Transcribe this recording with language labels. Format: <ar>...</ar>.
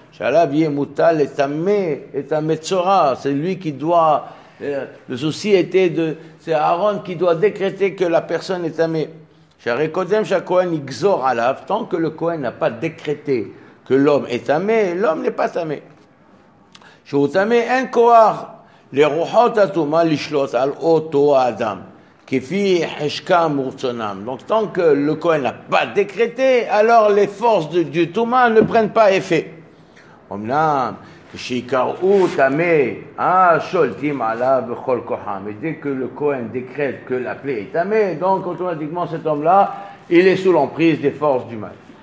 <he>שעליו יהיה מוטל את המצורה,</he> <fr>c'est lui qui doit, le souci était de, c'est Aaron qui doit décréter que la personne est tamée.</fr> <he>שהרי קודם שהכהן יגזור עליו,</he> <fr>tant que le Kohen n'a pas décrété que l'homme est tamé, l'homme n'est pas tamé.</fr> <he>שהוא תמה אין כוח לרוחות הטומאה לשלוט על אותו האדם.</he> <fr>Donc tant que le Kohen n'a pas décrété, alors les forces du Touma ne prennent pas effet. Mais dès que le Kohen décrète que la plaie est tamée, donc automatiquement cet homme-là, il est sous l'emprise des forces du mal.</fr>